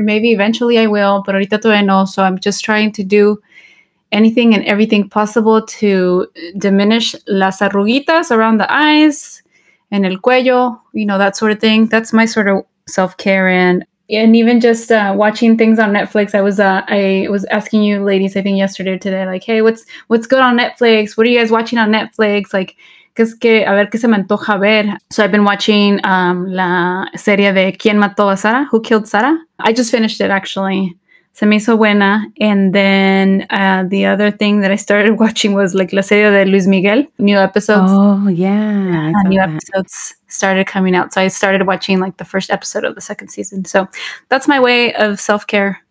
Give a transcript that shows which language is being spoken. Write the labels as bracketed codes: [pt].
[en] Maybe eventually I will, but [es] ahorita todavía no, [en] so I'm just trying to do anything and everything possible to diminish [es] las arruguitas [en] around the eyes and [es] el cuello, [en] you know, that sort of thing. That's my sort of self-care, and even just watching things on Netflix. I was asking you ladies, I think yesterday or today, like, hey, what's good on Netflix? What are you guys watching on Netflix? [es] Like, a ver qué se me antoja ver. [en] So I've been watching [es] la serie de [en] ¿Quién mató a Sara? Who killed Sara? I just finished it, actually. [es] Se me hizo buena. [en] And then the other thing that I started watching was like [es] la serie de [en] Luis Miguel. New episodes. Oh, yeah. New episodes started coming out. So I started watching like the first episode of the second season. So that's my way of self-care.